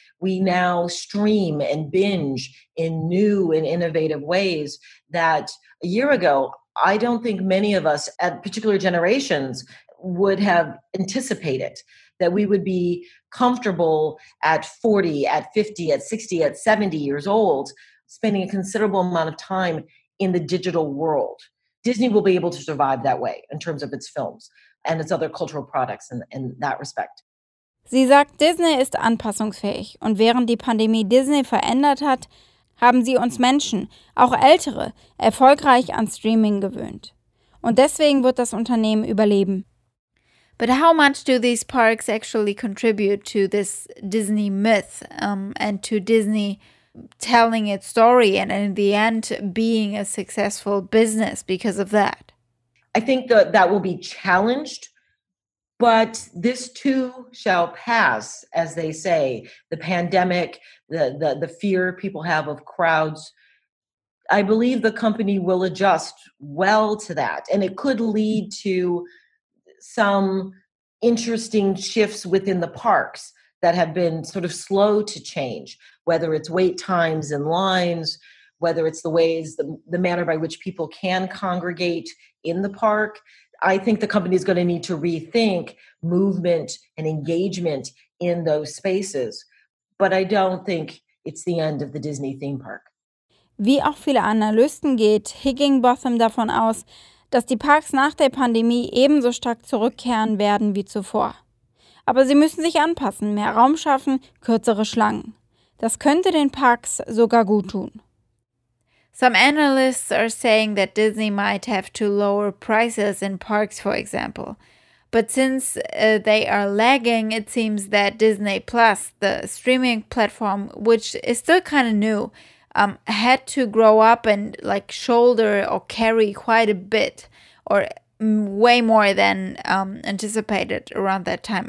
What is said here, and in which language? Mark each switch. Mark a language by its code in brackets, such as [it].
[en] We now stream and binge in new and innovative ways that a year ago, I don't think many of us at particular generations would have anticipated, that we would be comfortable at 40, at 50, at 60, at 70 years old, spending a considerable amount of time in the digital world. Disney will be able to survive that way in terms of its films and its other cultural products in that respect. [de] Sie sagt, Disney ist anpassungsfähig, und während die Pandemie Disney verändert hat, haben sie uns Menschen, auch Ältere, erfolgreich an Streaming gewöhnt. Und deswegen wird das Unternehmen überleben. [en] But how much do these parks actually contribute to this Disney myth and to Disney telling its story and in the end being a successful business because of that? I think that will be challenged, but this too shall pass, as they say. The pandemic, the fear people have of crowds, I believe the company will adjust well to that, and it could lead to some interesting shifts within the parks that have been sort of slow to change, whether it's wait times and lines, whether it's the ways, the manner by which people can congregate in the park. I think the company is going to need to rethink movement and engagement in those spaces. But I don't think it's the end of the Disney theme park. [de] Wie auch viele Analysten geht Higginbotham davon aus, dass die Parks nach der Pandemie ebenso stark zurückkehren werden wie zuvor. Aber sie müssen sich anpassen, mehr Raum schaffen, kürzere Schlangen. Das könnte den Parks sogar gut tun. [en] Some analysts are saying that Disney might have to lower prices in parks, for example. But since they are lagging, it seems that Disney Plus, the streaming platform, which is still kind of new, had to grow up and like shoulder or carry quite a bit, or way more than anticipated around that time.